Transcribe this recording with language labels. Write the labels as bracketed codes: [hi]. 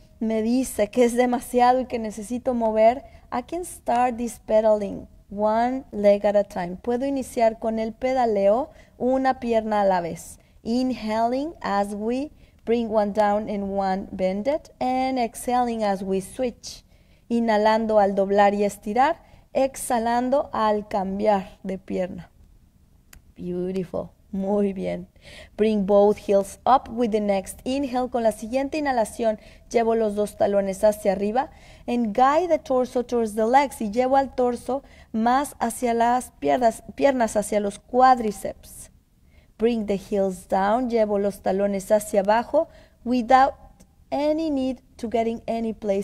[es] Me dice que es demasiado y que necesito mover. [en] I can start this pedaling one leg at a time. [es] Puedo iniciar con el pedaleo una pierna a la vez. [en] Inhaling as we bring one down and one bended. And exhaling as we switch. [es] Inhalando al doblar y estirar. Exhalando al cambiar de pierna. [en] Beautiful. [es] Muy bien. [en] Bring both heels up with the next inhale. [es] Con la siguiente inhalación, llevo los dos talones hacia arriba. [en] And guide the torso towards the legs. [es] Y llevo al torso más hacia las piernas, hacia los cuádriceps. [en] Bring the heels down. [es] Llevo los talones hacia abajo. [en] Without any need to getting any place.